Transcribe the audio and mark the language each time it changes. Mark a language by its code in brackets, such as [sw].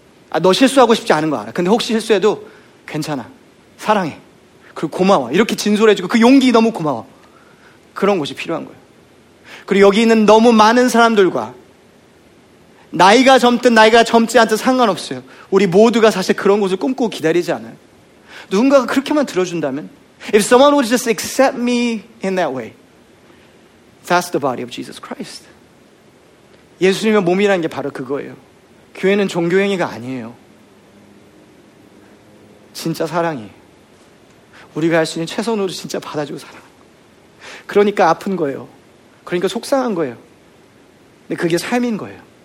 [ko] 아, 너 실수하고 싶지 않은 거 알아. 근데 혹시 실수해도 괜찮아. 사랑해. 그리고 고마워. 이렇게 진솔해주고 그 용기 너무 고마워. 그런 곳이 필요한 거예요. 그리고 여기 있는 너무 많은 사람들과 나이가 젊든 나이가 젊지 않든 상관없어요. 우리 모두가 사실 그런 곳을 꿈꾸고 기다리지 않아요. 누군가가 그렇게만 들어준다면 [en] If someone would just accept me in that way, that's the body of Jesus Christ. [ko] 예수님의 몸이라는 게 바로 그거예요. 교회는 종교행위가 아니에요. 진짜 사랑이에요. 우리가 할 수 있는 최선으로 진짜 받아주고 사랑하는 거예요. 그러니까 아픈 거예요. 그러니까 속상한 거예요. 근데 그게 삶인 거예요.